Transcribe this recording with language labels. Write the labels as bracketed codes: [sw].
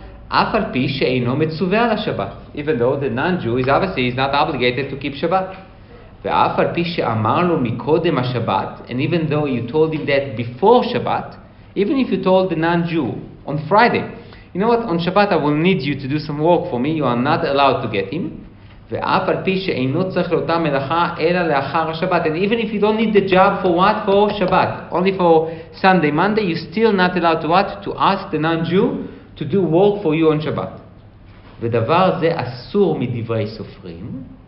[he] Af al pi she'eino metzuveh la Shabbat. [en] Even though the non-Jew is obviously is not obligated to keep Shabbat. [he] Ve'af al pi she'amar lo mikodem ha-Shabbat. [en] And even though you told him that before Shabbat, even if you told the non-Jew on Friday, you know what, on Shabbat I will need you to do some work for me, you are not allowed to get him. [he] ואף על פי שאינו צריך לאותה מלאכה אלא לאחר השבת. [en] And even if you don't need the job for what? For Shabbat. Only for Sunday, Monday, you're still not allowed to what? To ask the non-Jew to do work for you on Shabbat. [he] ודבר זה אסור מדברי סופרים.